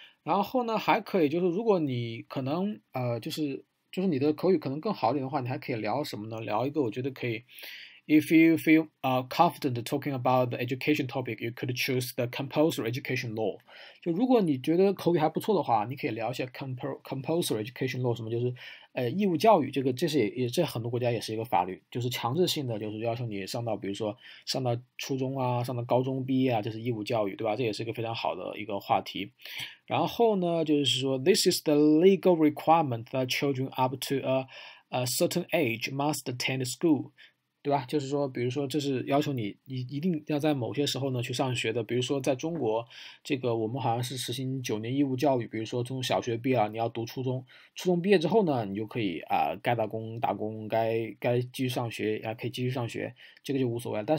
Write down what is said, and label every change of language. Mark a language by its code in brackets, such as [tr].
[zh] 然后呢，还可以就是，如果你可能就是你的口语可能更好一点的话，你还可以聊什么呢？聊一个我觉得可以， [en] If you feel confident talking about the education topic, you could choose the compulsory education law. [zh] 就如果你觉得口语还不错的话，你可以聊一下 compulsory education law，什么就是义务教育。这很多国家也是一个法律，就是强制性的，就是要求你上到，比如说上到初中啊，上到高中毕业啊，这是义务教育，对吧？这也是一个非常好的一个话题。然后呢，就是说 [en] this is the legal requirement that children up to a certain age must attend school。 [zh] 对吧？就是说，比如说，这是要求你一定要在某些时候呢去上学的。比如说，在中国，这个我们好像是实行9年义务教育。比如说，从小学毕业了，你要读初中，初中毕业之后呢，你就可以该打工打工，该继续上学可以继续上学，这个就无所谓了。